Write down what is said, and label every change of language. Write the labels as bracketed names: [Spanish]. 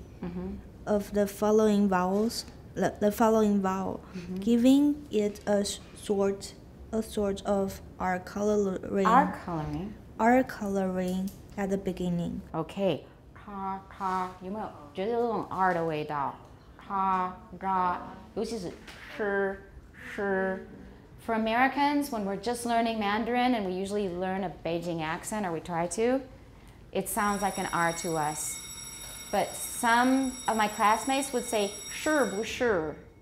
[English] The quality of the following vowels. The following vowel, mm-hmm. giving it a sort of R coloring at the beginning. Okay, ka ka, [Chinese] 有没有觉得有种 R 的味道? Ka ga, 尤其是 sh sh. [English] For Americans, when we're just learning Mandarin and we usually learn a Beijing accent or we try to, it sounds like an R to us. But some of my classmates would say, sure, bu sure.